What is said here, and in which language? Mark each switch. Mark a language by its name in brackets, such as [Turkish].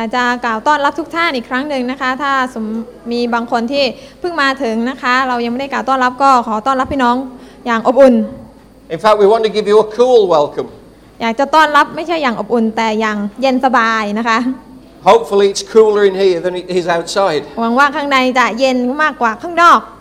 [Thai] อาจจะกล่าวต้อนรับทุกท่านอีกครั้งหนึ่งนะคะถ้า มีบางคนที่เพิ่งมาถึงนะคะเรายังไม่ได้กล่าวต้อนรับก็ขอต้อนรับพี่น้องอย่างอบอุ่น [English] In fact we want to give you a cool welcome [Thai] อยากจะต้อนรับไม่ใช่อย่างอบอุ่นแต่อย่างเย็นสบายนะคะ [English] Hopefully it's cooler in here than it is outside [Thai] หวังว่าข้างในจะเย็นมากกว่าข้างนอก